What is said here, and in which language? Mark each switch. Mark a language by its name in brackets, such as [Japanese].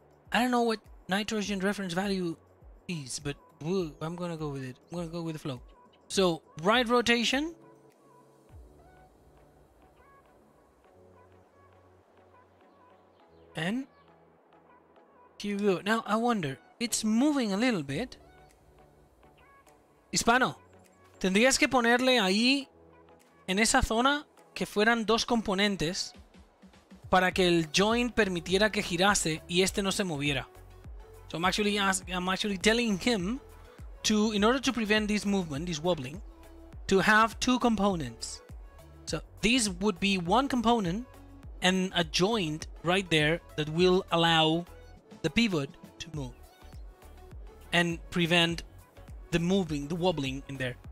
[English] I don't know what nitrogen reference value is, but I'm gonna go with it. I'm gonna go with the flow. So right rotation. And here we go. Now I wonder, it's moving a little bit. [Spanish] Hispano, tendrías que ponerle ahí en esa zona que fueran dos componentes para que el joint permitiera que girase y este no se moviera. [English] So I'm actually telling him to, in order to prevent this movement, this wobbling, to have two components. So this would be one component and a joint right there that will allow the pivot to move and prevent the moving, the wobbling in there.